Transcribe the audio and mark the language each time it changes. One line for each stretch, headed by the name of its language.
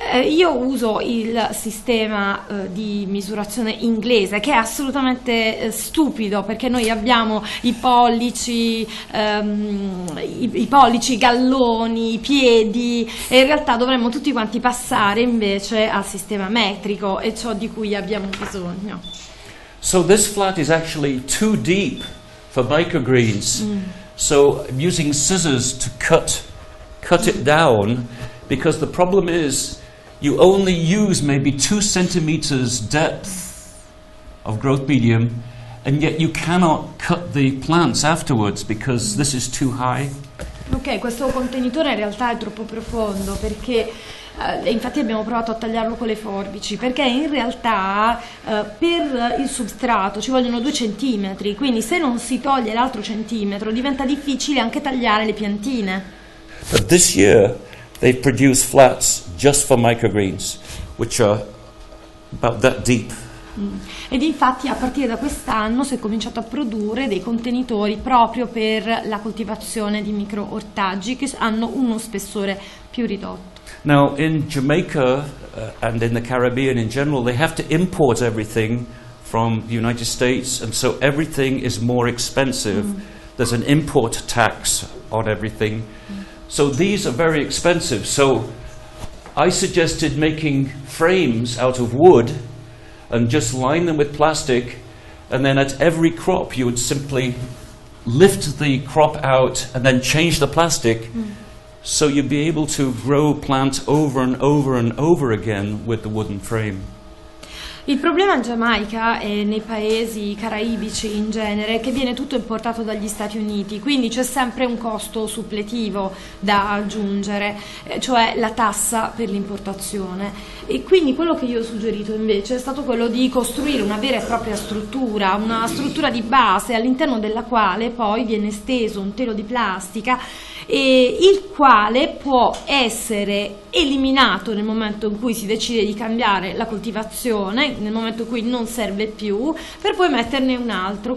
Italian: Io uso il sistema di misurazione inglese, che è assolutamente stupido, perché noi abbiamo i pollici, i galloni, i piedi, e in realtà dovremmo tutti quanti passare invece al sistema metrico, e ciò di cui abbiamo bisogno.
English: So this flat is actually too deep for microgreens. Mm. So I'm using scissors to cut it down, because the problem is you only use maybe 2 centimeters depth of growth medium, and yet you cannot cut the plants afterwards because this is too high.
Italian: Ok, questo contenitore in realtà è troppo profondo perché Infatti abbiamo provato a tagliarlo con le forbici, perché in realtà per il substrato ci vogliono 2 centimetri, quindi se non si toglie l'altro centimetro diventa difficile anche tagliare le piantine.
English: But this year they produce flats just for microgreens, which are about that deep.
Italian: Ed infatti a partire da quest'anno si è cominciato a produrre dei contenitori proprio per la coltivazione di micro ortaggi che hanno uno spessore più ridotto.
English: Now in Jamaica and in the Caribbean in general they have to import everything from the United States, and so everything is more expensive. There's an import tax on everything. So these are very expensive. So I suggested making frames out of wood and just line them with plastic, and then at every crop you would simply lift the crop out and then change the plastic. So you'd be able to grow plants over and over and over again with the wooden frame.
Italian: Il problema in Giamaica e nei paesi caraibici in genere è che viene tutto importato dagli Stati Uniti, quindi c'è sempre un costo suppletivo da aggiungere, cioè la tassa per l'importazione. E quindi quello che io ho suggerito invece è stato quello di costruire una vera e propria struttura, una struttura di base all'interno della quale poi viene steso un telo di plastica, e il quale può essere eliminato nel momento in cui si decide di cambiare la coltivazione, nel momento in cui non serve più, per poi metterne un altro.